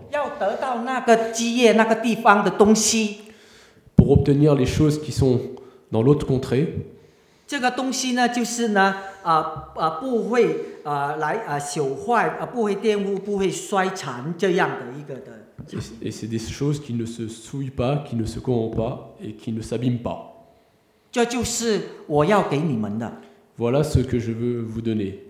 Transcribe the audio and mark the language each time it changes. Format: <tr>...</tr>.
<zh>要得到那个基业那个地方的东西</zh> <fr>pour obtenir les choses qui sont dans l'autre contrée.</fr> <zh>这个东西呢，就是呢，不会来朽坏，不会玷污，不会衰残这样的一个的。</zh> <fr>Et c'est des choses qui ne se souillent pas, qui ne se corrompent pas et qui ne s'abîment pas.</fr> <zh>这就是我要给你们的。</zh> <fr>Voilà ce que je veux vous donner.</fr>